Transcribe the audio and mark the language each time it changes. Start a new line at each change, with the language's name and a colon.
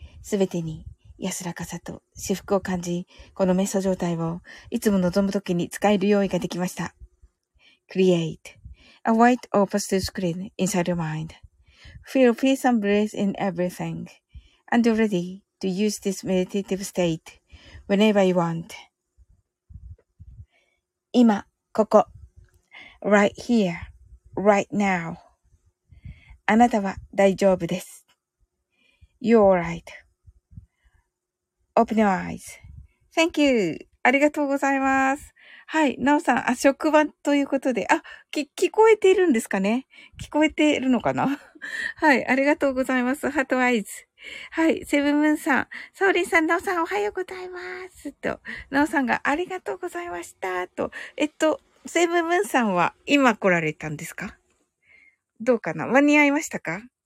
Japanese: すべてに安らかさと至福を感じ、この瞑想状態をいつも望むときに使える用意ができました。
English: Create a white or pastel screen inside your mind. Feel peace and bliss in everything. And you're ready to use this meditative state whenever you want.
Japanese: 今、ここ。
English: Right here, right now.
Japanese: あなたは大丈夫です。
English: You're alright.Open your eyes.Thank you.
Japanese: ありがとうございます。はい、なおさん、あ、職場ということで、あ、聞こえているんですかね？聞こえているのかな？はい、ありがとうございます。ハートアイズ。はい、セブンムーンさん、サオリンさん、なおさん、おはようございます。と、なおさんがありがとうございました。と、セブンムーンさんは今来られたんですか？どうかな？間に合いましたか？